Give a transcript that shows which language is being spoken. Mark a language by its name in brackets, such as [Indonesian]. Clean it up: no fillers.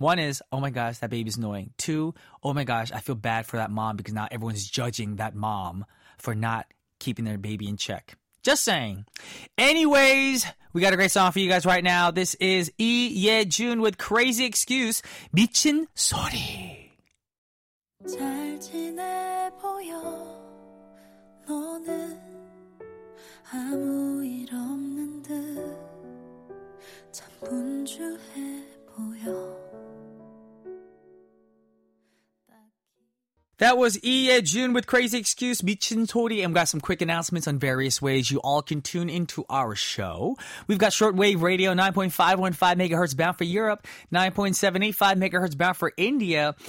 [English] One is, oh my gosh, that baby's annoying. Two, oh my gosh, I feel bad for that mom because now everyone's judging that mom for not keeping their baby in check. Just saying. Anyways, we got a great song for you guys right now. This is Lee Ye Jun with Crazy Excuse, 미친 소리. [Korean] 잘 지내 보여 너는 아무 일 없는 듯 참 분주해 보여. [English] That was Lee Ye Jun with Crazy Excuse, 미친 소리. And we've got some quick announcements on various ways you all can tune into our show. We've got shortwave radio, 9.515 megahertz bound for Europe, 9.785 megahertz bound for India.